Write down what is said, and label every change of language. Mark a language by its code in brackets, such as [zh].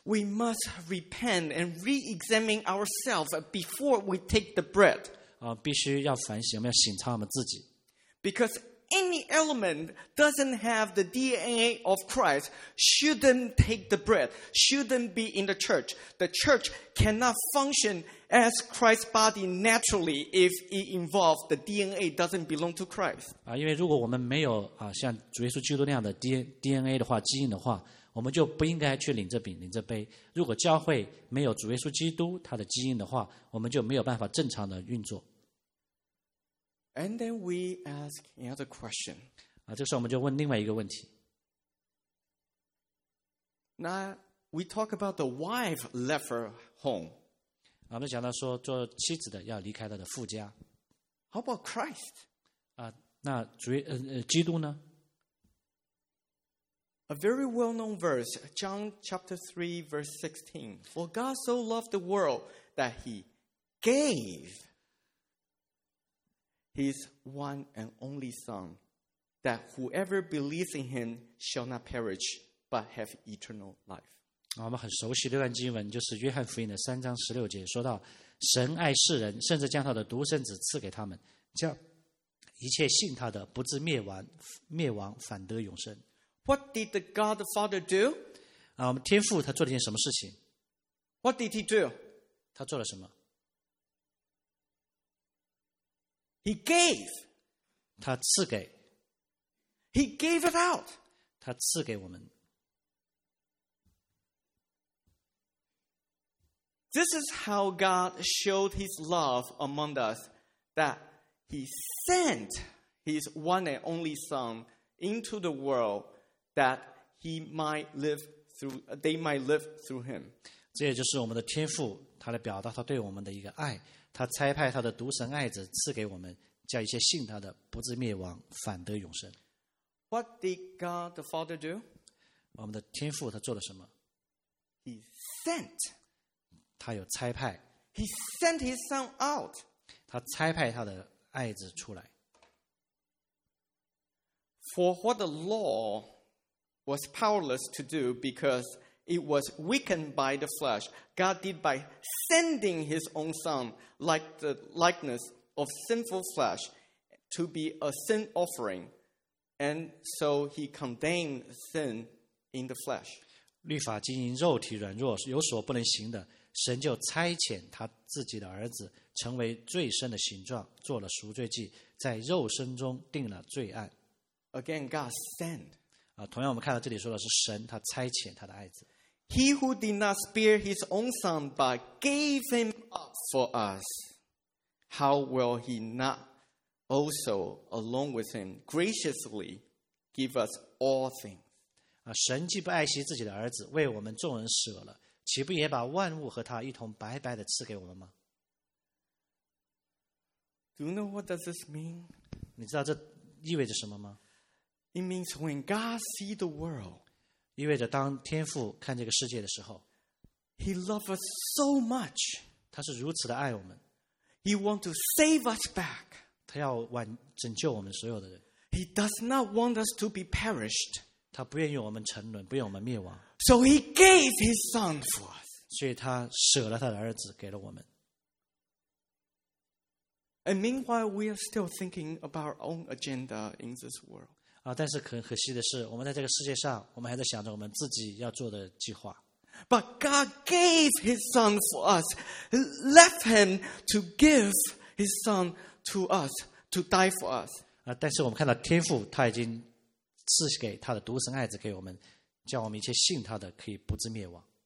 [en] We must repent and re-examine ourselves before we take the bread. [zh] 必须要反省，我们要省察我们自己。 [en] Because any element doesn't have the DNA of Christ shouldn't take the bread, shouldn't be in the church. The church cannot function as Christ's body naturally if it involves the DNA doesn't belong to Christ. [zh] 因为如果我们没有像主耶稣基督那样的 DNA 的话，基因的话，我们就不应该去领这饼领这杯。如果教会没有主耶稣基督他的基因的话，我们就没有办法正常的运作。 [en] And then we ask another question. [zh] 这时候我们就问另外一个问题。 [en] Now we talk about the wife left her home. [zh] 我们讲到说做妻子的要离开她的父家。 [en] How about Christ? [zh] 那基督呢？ [en] A very well-known verse, John chapter 3, verse 16. For God so loved the world that he gave. His one and only Son, that whoever believes in Him shall not perish, but have eternal life. [zh] 我们很熟悉这段经文，就是约翰福音的三章十六节，说到神爱世人，甚至将他的独生子赐给他们，叫一切信他的不至灭亡，反得永生。 [en] What did the God the Father do? [zh] 我们天父他做了件什么事情 [en] ？What did He do? [zh] 他做了什么？ [en] He gave. [zh] 他赐给。 [en] He gave it out. [zh] 他赐给我们。 [en] This is how God showed his love among us, that he sent his one and only son into the world that he might live through, they might live through him. [zh] 这也就是我们的天父他来表达他对我们的一个爱，他差派他的独生爱子赐给我们，叫一切信他的不至灭亡，反得永生。 [en] What did God the Father do? [zh] 我们的天父他做了什么 [en] ？He sent. [zh] 他有差派。 [en] He sent his son out. [zh] 他差派他的爱子出来。 [en] For what the law was powerless to do because it was weakened by the flesh, God did by sending his own son like the likeness. Of sinful flesh to be a sin offering, and so he condemned sin in the flesh. [zh] 律法经营肉体软弱有所不能行的，神就差遣他自己的儿子成为罪身的形状，做了赎罪祭，在肉身中定了罪案。 [en] Again, God sent. [zh] 同样我们看到这里说的是神他差遣他的爱子。 [en] He who did not spare his own son but gave him up for us. How will he not also, along with him, graciously give us all things? [zh] 神既不爱惜自己的儿子，为我们众人舍了，岂不也把万物和他一同白白的赐给我们吗？ [en] Do you know what does this mean? [zh] 你知道这意味着什么吗？ [en] It means when God sees the world, [zh] 意味着当天父看这个世界的时候 [en] He loves us so much, [zh] 他是如此的爱我们 [en] He wants to save us back, [zh] 他要拯救我们所有的人 [en] He does not want us to be perished, [zh] 他不愿意我们沉沦，不愿我们灭亡 [en] So he gave his son for us. [zh] 所以他舍了他的儿子给了我们。 [en] And meanwhile, we are still thinking about our own agenda in this world. [zh] 但是很可惜的是，我们在这个世界上，我们还在想着我们自己要做的计划。 [en] But God gave His Son for us, left Him to give His Son to us to die for us. [zh] 但是我们看到天父他已经赐给他的独生爱子给我们，叫我们一切信他的可以不至灭亡。